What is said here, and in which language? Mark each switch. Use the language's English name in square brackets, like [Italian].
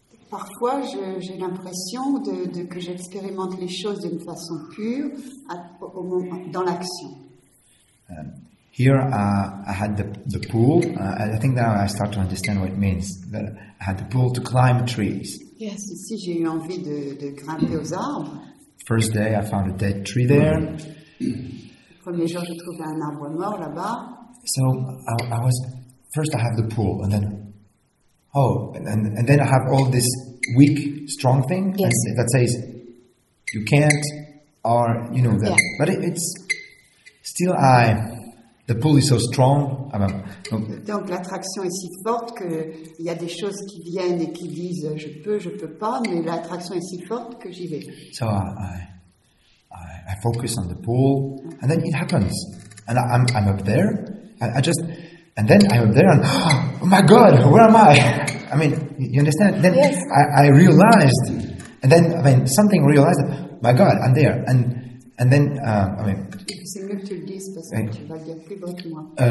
[French] Parfois, j'ai l'impression de que j'expérimente les choses d'une façon pure au moment dans l'action. [English] Here, I had the pull. I think now I start to understand what it means that I had the pull to climb trees. [French] Yes, ici j'ai eu envie de grimper aux arbres. [English] First day, I found a dead tree there. [French] Le premier jour, j'ai trouvé un arbre mort là-bas. [English] So I was first. I have the pull, and then and then I have all this weak, strong thing that says you can't, or you know that. Yeah. But it's still The pull is so strong. [French] Donc l'attraction est si forte que il y a des choses qui viennent et qui disent je peux pas, mais l'attraction est si forte que j'y vais. [English] So I focus on the pull, and then it happens, and I'm up there, and I just, and then I'm up there, and oh my God, where am I? I mean, you understand? Then yes. I realized, and then I mean something realized. My God, I'm there, and then I mean. [French] C'est mieux que tu le dises parce que tu vas le dire plus bas que moi.